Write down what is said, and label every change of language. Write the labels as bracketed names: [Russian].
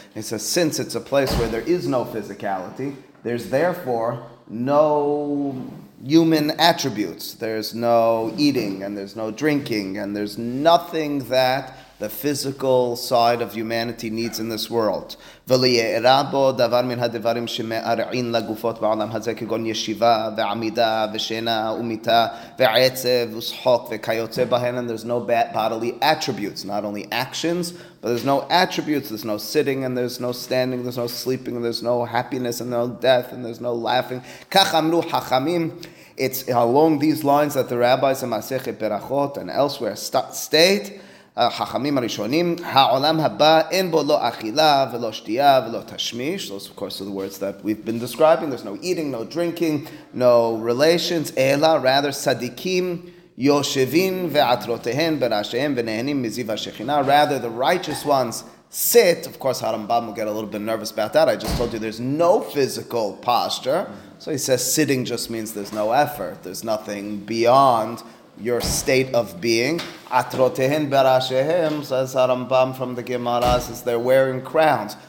[English] He says, since it's a place where there is no physicality, there's therefore no human attributes. There's no eating and there's no drinking and there's nothing that the physical side of humanity needs in this world. [Hebrew] וליערה בו דבר מן הדברים שמערעין לגופות בעולם הזה, כגון ישיבה ועמידה ושינה ומיטה ועצב ושחוק וכיוצא בהן. [English] And there's no bodily attributes, not only actions, but there's no attributes. There's no sitting and there's no standing, there's no sleeping, there's no happiness and no death, and there's no laughing. [Hebrew] כך אמרו חכמים. [English] It's along these lines that the rabbis in Masechet Berachot and elsewhere state, [Hebrew] החכמים הראשונים, העולם הבא אין בו לא אכילה ולא שתייה ולא תשמיש. [English] Those, of course, are the words that we've been describing. There's no eating, no drinking, no relations. [Hebrew] אלא, [English] rather, [Hebrew] צדיקים יושבים ועטרותיהם ברעשיהם ונהנים מזיו השכינה. [English] Rather, the righteous ones sit. Of course, הרמב״ם will get a little bit nervous about that. I just told you there's no physical posture. So he says sitting just means there's no effort. There's nothing beyond your state of being. Atrotehen barashehem, says Harambam from the Gemara, says they're wearing crowns.